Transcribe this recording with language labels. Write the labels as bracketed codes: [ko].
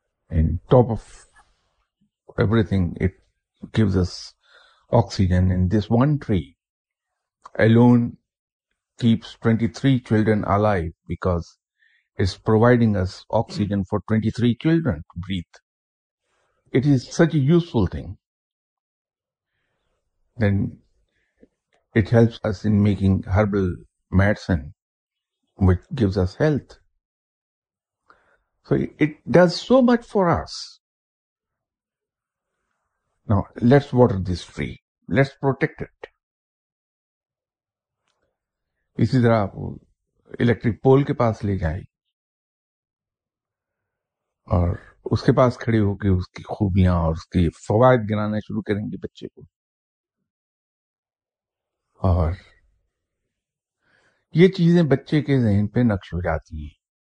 [en] And top of everything it gives us oxygen, and this one tree alone keeps 23 children alive because it's providing us oxygen for 23 children to breathe. It is such a useful thing. Then it helps us in making herbal medicine, which gives us health. So it does so much for us. Now let's water this tree. Let's protect it. [ur] اسی طرح آپ electric پول کے پاس لے جائیں اور اس کے پاس کھڑے ہو کے اس کی خوبیاں اور اس کے فوائد گنانا شروع کریں گے بچے کو. اور یہ چیزیں بچے کے ذہن پہ نقش ہو جاتی ہیں.